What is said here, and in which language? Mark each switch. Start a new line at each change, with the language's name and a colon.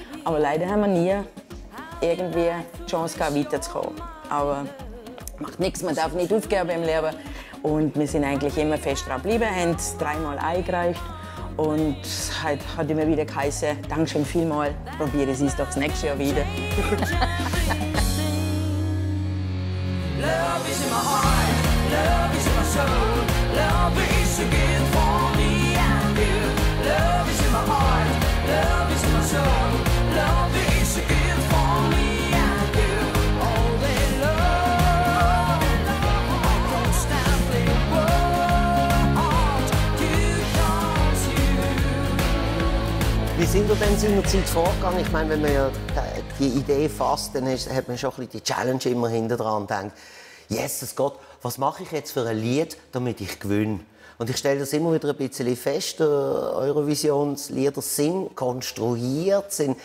German: Aber leider haben wir nie irgendwie die Chance gehabt, weiterzukommen. Aber macht nichts, man darf nicht aufgeben im Leben. Und wir sind eigentlich immer fest dran geblieben, haben es dreimal eingereicht. Und es hat immer wieder geheißen, danke schön vielmal, probiere es doch das nächste Jahr wieder.
English: Love is in my heart, love is in my soul, love is a gift for me and you. Love is in my heart, love is in my soul, love is a gift for me and you. All day long, I constantly want to touch you.
German: Wie sind wir denn in der Zeit vorgegangen? Ich meine, wenn man ja die Idee fasst, dann hat man schon ein bisschen die Challenge immer hinter dran gedacht. Jesus Gott, was mache ich jetzt für ein Lied, damit ich gewinne? Und ich stelle das immer wieder ein bisschen fest. Eurovisionslieder sind konstruiert.